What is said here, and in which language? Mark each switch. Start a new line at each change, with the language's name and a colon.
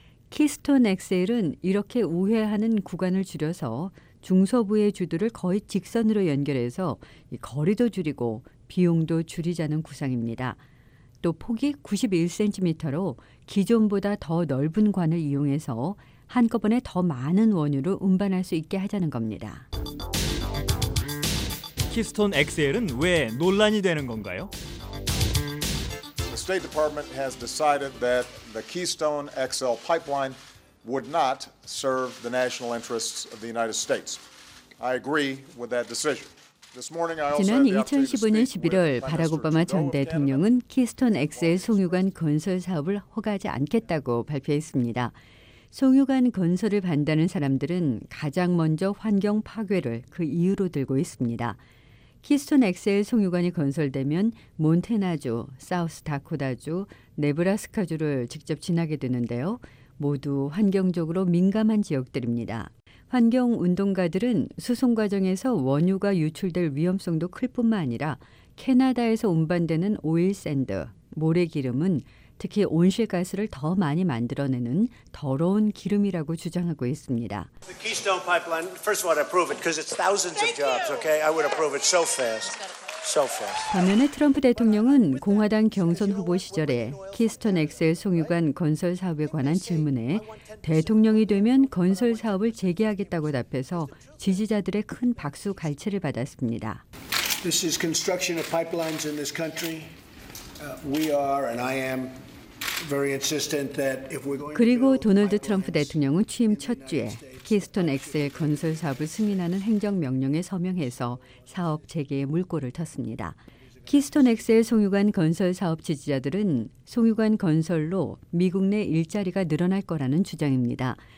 Korean: 키스톤 엑셀은 이렇게 우회하는 구간을 줄여서 중서부의 주들을 거의 직선으로 연결해서 거리도 줄이고 비용도 줄이자는 구상입니다. 또 폭이 91cm로 기존보다 더 넓은 관을 이용해서 한꺼번에 더 많은 원유를 운반할 수 있게 하자는 겁니다. 키스톤 XL은 왜 논란이 되는 건가요?
English: The State Department has decided that the Keystone XL pipeline would not serve the national interests of the United States. I agree with that decision.
Korean: 지난 2015년 11월 바락 오바마 전 대통령은 키스톤 XL 송유관 건설 사업을 허가하지 않겠다고 발표했습니다. 송유관 건설을 반대하는 사람들은 가장 먼저 환경 파괴를 그 이유로 들고 있습니다. 키스톤 XL 송유관이 건설되면 몬태나주, 사우스 다코타주, 네브라스카주를 직접 지나게 되는데요. 모두 환경적으로 민감한 지역들입니다. 환경운동가들은 수송 과정에서 원유가 유출될 위험성도 클 뿐만 아니라 캐나다에서 운반되는 오일샌드, 모래기름은 특히 온실가스를 더 많이 만들어내는 더러운 기름이라고 주장하고 있습니다.
English: The Keystone Pipeline, first of all, I approve it because it's thousands of jobs, okay? I would approve it so fast.
Korean: 반면에 트럼프 대통령은 공화당 경선 후보 시절에 키스톤 XL 송유관 건설 사업에 관한 질문에 대통령이 되면 건설 사업을 재개하겠다고 답해서 지지자들의 큰 박수 갈채를 받았습니다.
English: This is construction of pipelines in this country. We are and I am very insistent that if we're going.
Korean: 그리고 도널드 트럼프 대통령은 취임 첫 주에 키스톤 XL 건설 사업을 승인하는 행정명령에 서명해서 사업 재개에 물꼬를 텄습니다. 키스톤 XL 송유관 건설 사업 지지자들은 송유관 건설로 미국 내 일자리가 늘어날 거라는 주장입니다.